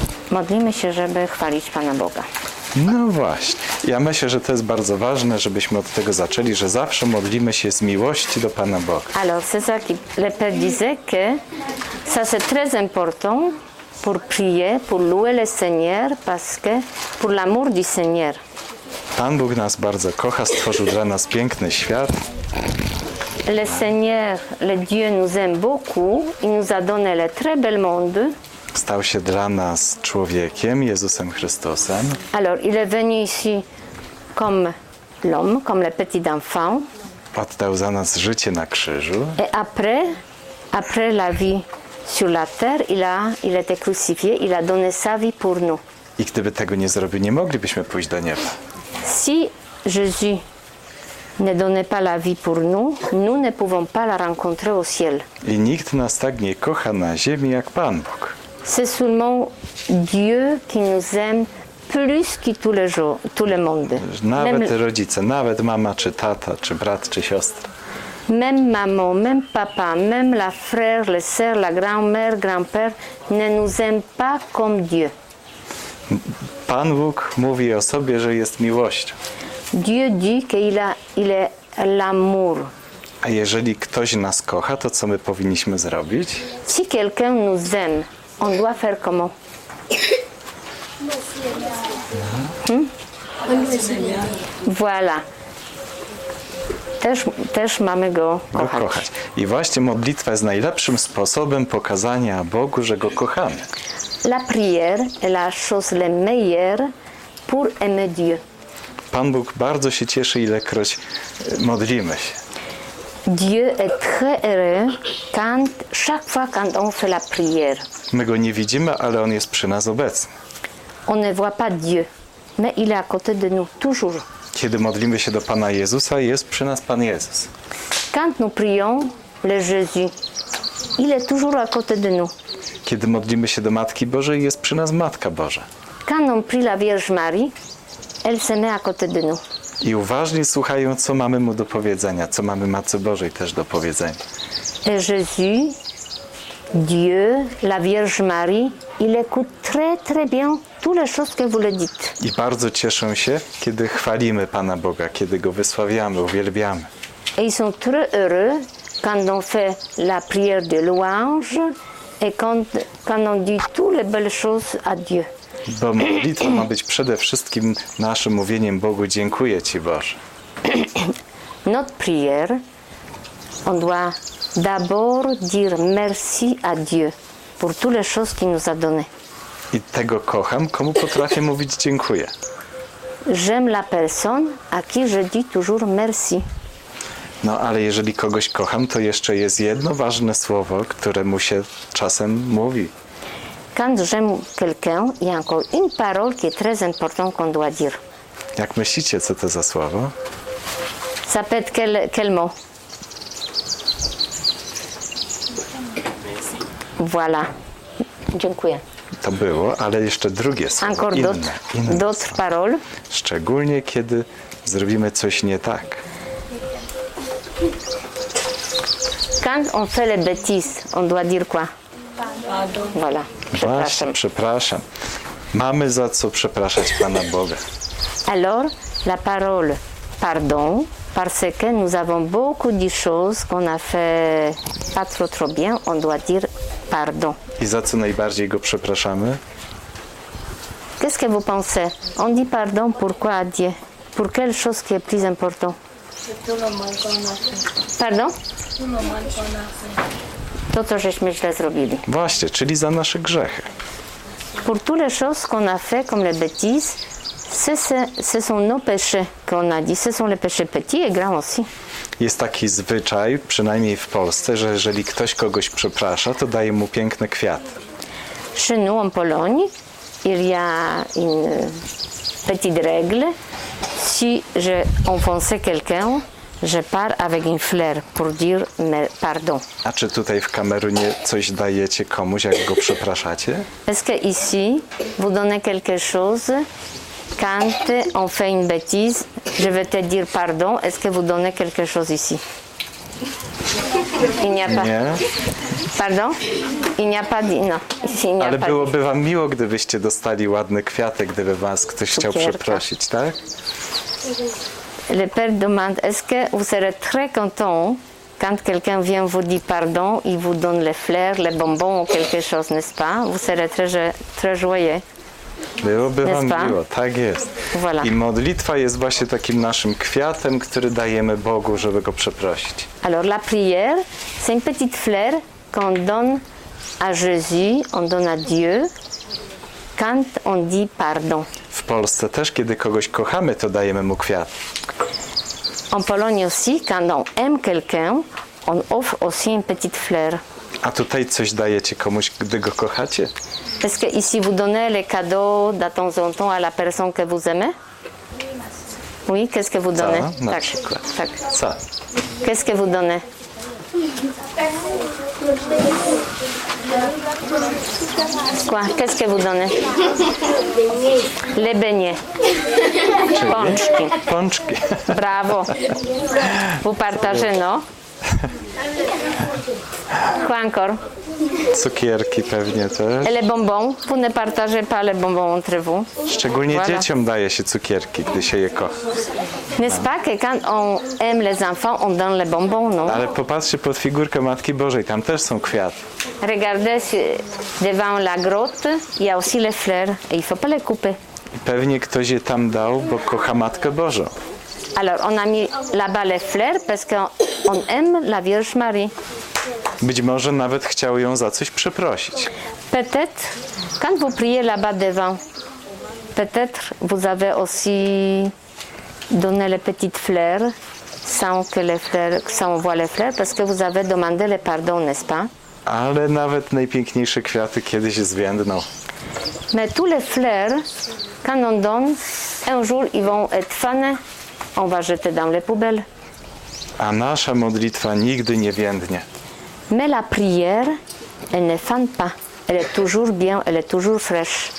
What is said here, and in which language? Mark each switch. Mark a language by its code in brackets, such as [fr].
[pl] Modlimy się, żeby chwalić Pana Boga. No właśnie. Ja myślę, że to jest bardzo ważne, żebyśmy od tego zaczęli, że zawsze modlimy się z miłości do Pana Boga. [fr] Alors, c'est ça qui le père disait que ça c'est très important pour prier, pour louer le Seigneur, parce que pour l'amour du Seigneur. [pl] Pan Bóg nas bardzo kocha, stworzył dla nas piękny świat. [fr] Le Seigneur, le Dieu nous aime beaucoup, il nous a donné le très bel monde. [pl] Stał się dla nas człowiekiem, Jezusem Chrystusem. [fr] Alors, il est venu ici comme l'homme, comme le petit enfant. [pl] Oddał za nas życie na krzyżu. [fr] Et après la vie sur la terre, il était crucifié, il a donné sa vie pour nous. [pl] I gdyby tego nie zrobił, nie moglibyśmy pójść do nieba. [fr] Si Jésus ne donnait pas la vie pour nous, nous ne pouvons pas la rencontrer au ciel. [pl] I nikt nas tak nie kocha na ziemi jak Pan Bóg. [fr] C'est seulement Dieu qui nous aime plus que tout le monde. [pl] Nawet rodzice, nawet mama, czy tata, czy brat, czy siostra. [fr] Même maman, même papa, même la frère, le sœur, la grand-mère, grand-père ne nous aime pas comme Dieu. [pl] Pan Bóg mówi o sobie, że jest miłość. [fr] Dieu dit qu'il est l'amour. [pl] A jeżeli ktoś nas kocha, to co my powinniśmy zrobić? [fr] Si quelqu'un nous aime, on doit faire comment? Voilà. [pl] Też mamy go kochać. I właśnie modlitwa jest najlepszym sposobem pokazania Bogu, że go kochamy. [fr] La prière est la chose la meilleure pour aimer Dieu. [pl] Pan Bóg bardzo się cieszy, ilekroć modlimy się. [fr] Dieu est très heureux quand chaque fois quand on fait la prière. [pl] My go nie widzimy, ale on jest przy nas obecny. [fr] On ne voit pas Dieu, mais il est à côté de nous toujours. [pl] Kiedy modlimy się do Pana Jezusa, jest przy nas Pan Jezus. [fr] Quand nous prions le Jésus, il est toujours à côté de nous. [pl] Kiedy modlimy się do Matki Bożej, jest przy nas Matka Boża. [fr] Quand on prie la Vierge Marie, elle se met à côté de nous. [pl] I uważnie słuchają, co mamy mu do powiedzenia, co mamy Matce Bożej też do powiedzenia. [fr] Le Jésus, Dieu, la Vierge Marie, il écoute très très bien toutes les choses que vous le dites. [pl] I bardzo cieszą się, kiedy chwalimy Pana Boga, kiedy go wysławiamy, uwielbiamy. [fr] Et ils sont très heureux quand on fait la prière de louange et quand on dit toutes les belles choses à Dieu. [pl] Bo modlitwa ma być przede wszystkim naszym mówieniem Bogu dziękuję Ci, Boże. [fr] Not prière, on doit d'abord dire merci à Dieu pour toutes les choses qu'il nous a donné. [pl] I tego kocham, komu potrafię mówić dziękuję. [fr] J'aime la personne à qui je dis toujours merci. [pl] No, ale jeżeli kogoś kocham, to jeszcze jest jedno ważne słowo, które mu się czasem mówi. [fr] Quand j'aime quelqu'un, il y a encore une parole qui est très importante qu'on doit dire. [pl] Jak myślicie, co to za słowo? [fr] Ça peut être quel mot? Voilà. [pl] Dziękuję. To było, ale jeszcze drugie słowo. [fr] Encore d'autres paroles. [pl] Szczególnie, kiedy zrobimy coś nie tak. [fr] Quand on fait les bêtises, on doit dire quoi? Pardon. Voilà. [pl] Przepraszam. Mamy za co przepraszać Pana Boga. [fr] Alors, la parole pardon, parce que nous avons beaucoup de choses qu'on a fait pas trop bien, on doit dire pardon. [pl] I za co najbardziej go przepraszamy? [fr] Qu'est-ce que vous pensez? On dit pardon pourquoi à Dieu? Pour quelle chose qui est plus important? Pardon? [pl] To, co żeśmy źle zrobili. Właśnie, czyli za nasze grzechy. [fr] Pour toutes les choses qu'on a fait, comme les bêtises, ce sont nos péchés qu'on a dit. Ce sont les péchés petits et grands aussi. [pl] Jest taki zwyczaj, przynajmniej w Polsce, że jeżeli ktoś kogoś przeprasza, to daje mu piękny kwiat. [fr] Chez nous, en Pologne, il y a une petite règle. Si j'ai enfoncé quelqu'un, je pars avec une fleur pour dire pardon. [pl] A czy tutaj w Kamerunie coś dajecie komuś, jak go przepraszacie? [fr] Est-ce que ici vous donnez quelque chose quand on fait une bêtise, je vais te dire pardon, est-ce que vous donnez quelque chose ici? Il n'y a pas. [pl] Nie. [fr] Pardon? Il n'y a pas dit. No. Ici, il n'y a [pl] Ale [fr] pas [pl] byłoby wam miło, gdybyście dostali ładny kwiatek, gdyby was ktoś Cukierka. Chciał przeprosić, tak? [fr] Le père demande, est-ce que vous serez très content quand quelqu'un vient vous dire pardon, il vous donne les fleurs, les bonbons ou quelque chose, n'est-ce pas? Vous serez très joyeux. [pl] Byłoby wam miło, tak jest. [fr] Voilà. [pl] I modlitwa jest właśnie takim naszym kwiatem, który dajemy Bogu, żeby go przeprosić. [fr] Alors la prière, c'est une petite fleur qu'on donne à Jésus, on donne à Dieu, quand on dit pardon. [pl] W Polsce też, kiedy kogoś kochamy, to dajemy mu kwiat. [fr] En Pologne aussi, quand on aime quelqu'un, on offre aussi une petite fleur. [pl] A tutaj coś dajecie komuś, gdy go kochacie? [fr] Est-ce que ici vous donnez les cadeaux de temps en temps à la personne que vous aimez? Oui, qu'est-ce que vous donnez? [pl] Ça, tak, przykład. Tak. [fr] Ça. Qu'est-ce que vous donnez? Quoi? Qu'est-ce que vous donnez? Les beignets. [pl] Pączki. [fr] Bravo. Vous partagez, non? Quoi encore? [pl] Cukierki pewnie też. [fr] Et les bonbons? Vous ne partagez pas les bonbons entre vous? [pl] Szczególnie voilà. Dzieciom daje się cukierki, gdy się je kocha. [fr] N'est-ce pas que quand on aime les enfants, on donne les bonbons, non? [pl] Ale popatrzcie pod figurkę Matki Bożej, tam też są kwiaty. [fr] Regardez devant la grotte, il y a aussi les fleurs, et il faut pas les couper. [pl] Pewnie ktoś je tam dał, bo kocha Matkę Bożą. [fr] Alors, on a mis là-bas les fleurs parce qu'on aime la Vierge Marie. [pl] Być może nawet chciał ją za coś przeprosić. [fr] Peut-être, quand vous priez là-bas devant, peut-être vous avez aussi donné les petites fleurs sans que les fleurs, sans voir les fleurs, parce que vous avez demandé le pardon, n'est-ce pas? [pl] Ale nawet najpiękniejsze kwiaty kiedyś zwiędną. [fr] Mais tous les fleurs, quand on donne, un jour ils vont être fanés. On va jeter dans les poubelles. [pl] A nasza modlitwa nigdy nie więdnie. [fr] Mais la prière, elle ne fane pas. Elle est toujours bien, elle est toujours fraîche.